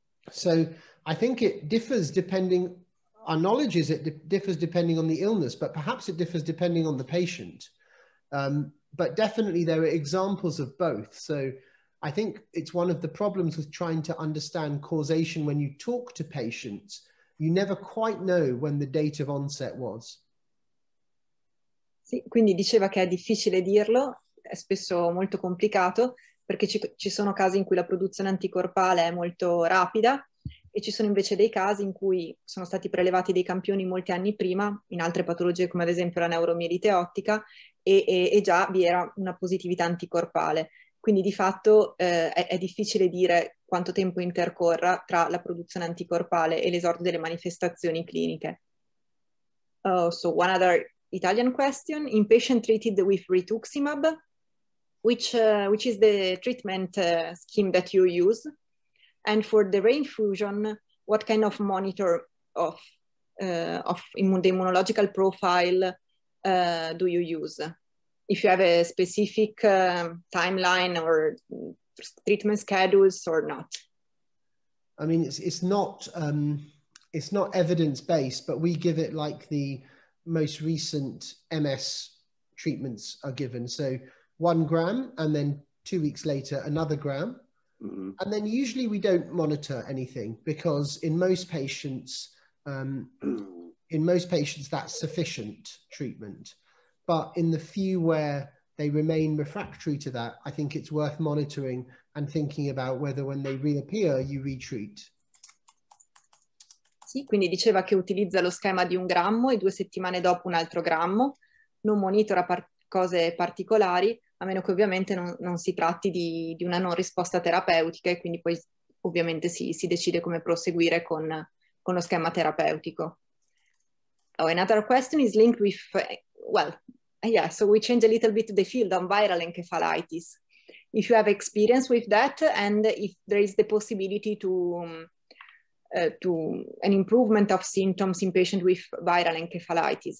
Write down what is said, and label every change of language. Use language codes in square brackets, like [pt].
[en] So I think it differs depending, our knowledge is it differs depending on the illness, but perhaps it differs depending on the patient. But definitely there are examples of both. So I think it's one of the problems with trying to understand causation. When you talk to patients, you never quite know when the date of onset was. [it] Sì, quindi diceva che è difficile dirlo. È spesso molto complicato perché ci sono casi in cui la produzione anticorpale è molto rapida e ci sono invece dei casi in cui sono stati prelevati dei campioni molti anni prima in altre patologie come ad esempio la neuromielite ottica e già vi era una positività anticorpale. Quindi di fatto è difficile dire quanto tempo intercorra tra la produzione anticorpale e l'esordio delle manifestazioni cliniche. [en] So one other Italian question, in patient treated with rituximab, which is the treatment scheme that you use? And for the reinfusion, what kind of monitor of immunological profile do you use? If you have a specific timeline or treatment schedules or not? I mean, it's not it's not evidence-based, but we give it like the most recent MS treatments are given. So 1 gram, and then 2 weeks later, another gram. Mm-hmm. And then usually we don't monitor anything, because in most patients, that's sufficient treatment. But in the few where they remain refractory to that, I think it's worth monitoring and thinking about whether when they reappear, you retreat. [it] Sì, quindi diceva che utilizza lo schema di 1 grammo e 2 settimane dopo un altro grammo, non monitora cose particolari, a meno che ovviamente non si tratti di una non risposta terapeutica, e quindi poi ovviamente si decide come proseguire con lo schema terapeutico. [en] Oh, another question is linked with, so we change a little bit the field on viral encephalitis. If you have experience with that, and if there is the possibility to an improvement of symptoms in patients with viral encephalitis.